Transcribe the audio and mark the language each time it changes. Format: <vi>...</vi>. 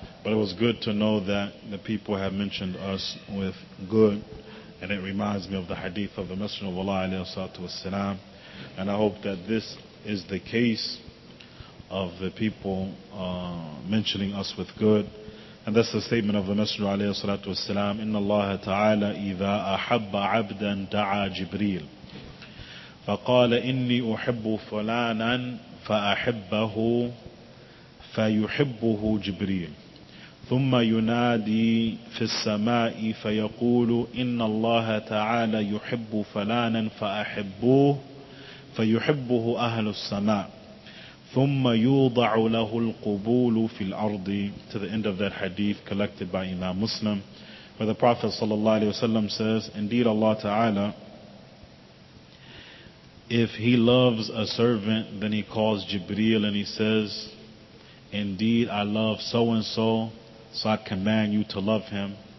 <en>But it was good to know that the people have mentioned us with good, and it reminds me of the hadith of the Messenger of Allah alayhi salatu wasalam. And I hope that this is the case of the people mentioning us with good. And that's the statement of the Messenger alayhi salatu wasalam,</en> <ar>إِنَّ اللَّهَ تَعَالَى إِذَا أَحَبَّ عَبْدًا دَعَى جِبْرِيلَ فَقَالَ إِنِّي أُحِبُّ فُلَانًا فَأَحِبَّهُ فَيُحِبُّهُ جِبْرِيلَ ثم ينادي في السماء فيقول إن الله تعالى يحب فلانا فأحبوه فيحبه أهل السماء ثم يوضع له القبول في الأرض.</ar> <en>To the end of that hadith collected by Imam Muslim, where the Prophet صلى الله عليه وسلم says, indeed Allah Ta'ala, if he loves a servant, then he calls Jibreel and he says, indeed I love so and so, so I command you to love him.</en>